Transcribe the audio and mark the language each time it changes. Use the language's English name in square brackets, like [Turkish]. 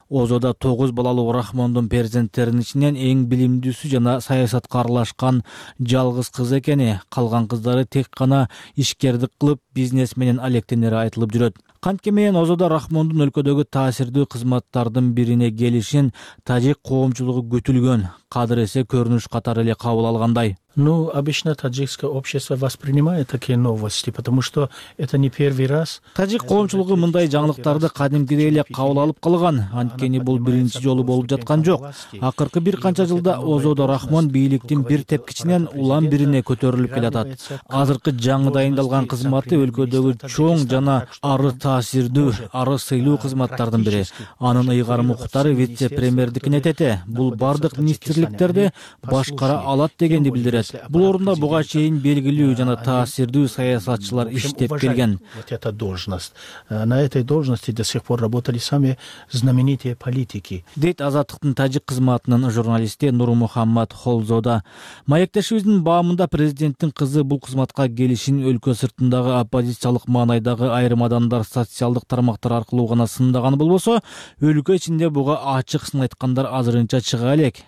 [Kyrgyz] Озода 9 балалуу Рахмондун перзенттеринин ичинен эң билимдүүсү жана саясатка аралашкан жалгыз кыз экени, калган кыздары тек гана ишкердик кылып, бизнес менен алектенери айтылып жүрөт. Кантке менен Озода Рахмондун өлкөдөгү таасирдүү кызматтардын бирине келишин тажик коомчулугу күтүлгөн, кадыр эсе көрүнүш катары эле кабыл алгандай. [Russian] Ну, обычно таджикское общество воспринимает такие новости, потому что это не первый раз. [Kyrgyz] Тажик коомчулугу мындай жаңылыктарды кадимкидей эле кабыл алып калган, анткени бул биринчи жолу болуп жаткан жок. Акыркы бир канча жылда Озода Рахмон бийликтин бир тепкичинен улам бирине көтөрүлүп келатат. Азыркы жаңы дайындалган кызматы өлкөдөгү чоң жана ары таасирдүү, ары сыйлуу кызматтардын бири. Анын ыйгарым укуктары вице-премьердикине тете. Бул бардык министрликтерди башкара алат дегенди билдирет. Бул орунда буга чейин белгилүү жана таасирдүү саясатчылар иштеп келген. [Russian] На этой должности до сих пор работали сами знаменитые политики. [Kyrgyz] Дейт Азаттыктын тажик кызматынын журналисти Нурмухаммад Холзода. Маектешибиздин баамында президенттин кызы бул кызматка келишин өлкө сыртындагы оппозициялык маанайдагы айрым адамдар социалдык тармактар аркылуу гана сындаган болбосо, өлкө ичинде буга ачык сын айткандар азырынча чыга элек.